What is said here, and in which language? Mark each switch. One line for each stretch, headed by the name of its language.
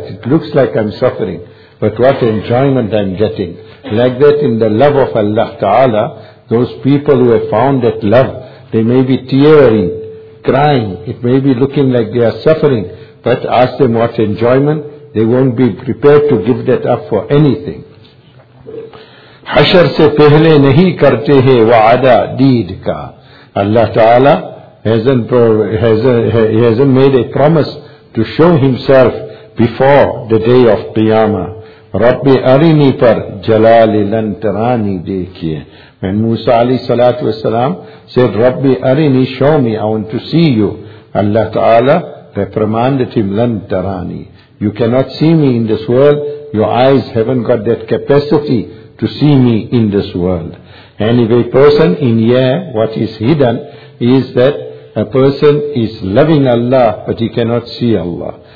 English: It looks like I'm suffering. But what enjoyment I'm getting. Like that in the love of Allah Ta'ala, those people who have found that love, they may be tearing, crying. It may be looking like they are suffering. But ask them what enjoyment, they won't be prepared to give that up for anything.
Urdu: حشر سے پہلے نہیں کرتے ہیں وعدہ دید کا.
English: Allah Ta'ala hasn't made a promise to show himself before the day of Qiyamah.
Urdu: رب ارنی پر جلال لن ترانی دیکھئے.
English: When Musa alayhi salatu wasalam said,
Urdu: رب ارنی,
English: show me, I want to see you. Allah Ta'ala reprimanded him,
Urdu: لن ترانی,
English: you cannot see me in this world, your eyes haven't got that capacity to see me in this world. Anyway, person in here, what is hidden is that a person is loving Allah, but he cannot see Allah.